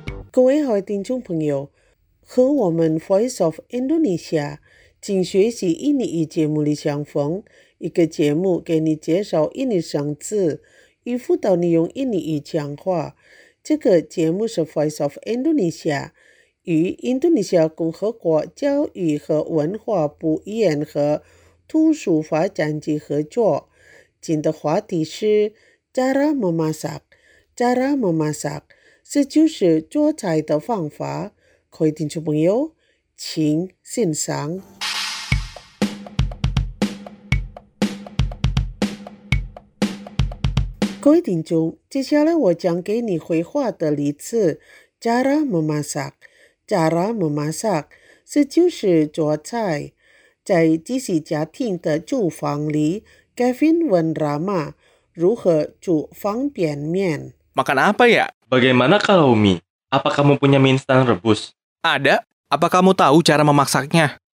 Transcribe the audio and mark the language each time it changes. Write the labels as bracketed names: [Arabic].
[Chinese] 各位好，听众朋友，和我们 Voice of Indonesia 请学习印尼语节目的相逢，一个节目给你介绍印尼生字，与辅导你用印尼语讲话。这个节目是 Voice of Indonesia 与印度尼西亚共和国教育和文化部语言和图书发展局合作。今的话题是 [Indonesian] Cara memasak， Cara memasak。 [Chinese] 这就是做菜的方法，可以听众朋友请欣赏。各位听众，接下来我讲给你回话的例子 [Indonesian] Cara memasak。 Cara memasak [Chinese] 这就是做菜。在这些家庭的厨房里， Kevin 问 Rama 如何煮方便面。 [Indonesian] Makan apa ya? Bagaimana kalau mie? Apa kamu punya mie instan rebus? Ada. Apa kamu tahu cara memasaknya?